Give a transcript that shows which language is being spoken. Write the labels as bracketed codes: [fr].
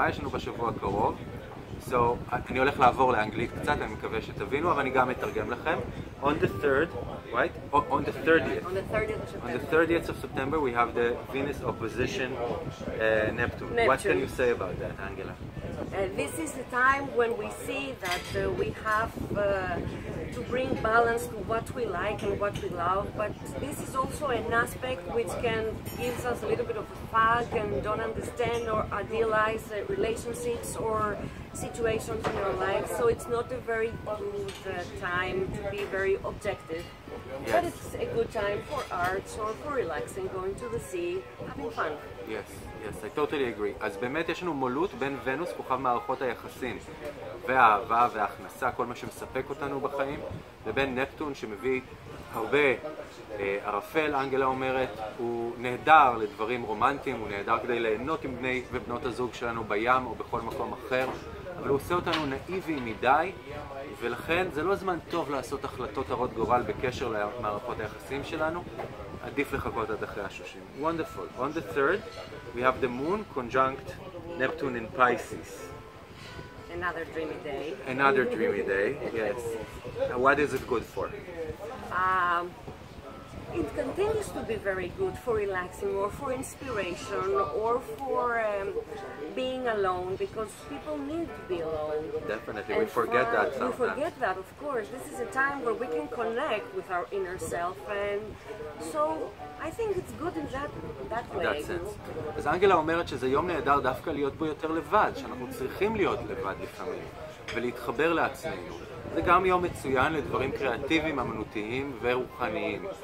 [he] מה יש לנו בשבוע הקרוב? So, אני הולך לעבור לאנגלית קצת, אני מקווה שתבינו, אבל אני גם אתרגם לכם. [en] On the 3rd, right? On the 30th. On the 30th of September, we have the Venus opposition Neptune. What can you say about that, Angela? This is the time when we see that we have to bring balance to what we like and what we love, but this is also an aspect which can give us a little bit of a fog and don't understand or idealize relationships or situations in your life, so it's not a very good time to be very objective. Yes. But it's a good time for arts or for relaxing, going to the sea, having fun. Yes. Yes, I totally agree. [he] אז באמת יש לנו מולות בין ונוס, כוכב מערכות היחסים והאהבה והכנסה, כל מה שמספק אותנו בחיים, לבין נפטון שמביא הרבה ערפל, אנגלה אומרת, הוא נהדר לדברים רומנטיים, הוא נהדר כדי ליהנות עם בני ובנות הזוג שלנו בים או בכל מקום אחר, אבל הוא עושה אותנו נאיבי מדי, ולכן זה לא זמן טוב לעשות החלטות הרות גורל בקשר למערכות היחסים שלנו. עדיף לחכות עד אחרי השושים. [en] Wonderful. On the 3rd, we have the moon conjunct Neptune in Pisces. Another dreamy day. Another dreamy day, yes. What is it good for? It continues to be very good for relaxing or for inspiration or for being alone, because people need to be alone. Definitely, and we forget that sometimes. We forget that, of course. This is a time where we can connect with our inner self, and so I think it's good in that way. That sense. [he] אז אנגלה אומרת שזה יום נהדר דווקא להיות בו יותר לבד, שאנחנו צריכים להיות לבד לפעמים ולהתחבר לעצמנו. זה גם יום מצוין לדברים קריאטיביים, אמנותיים ורוחניים.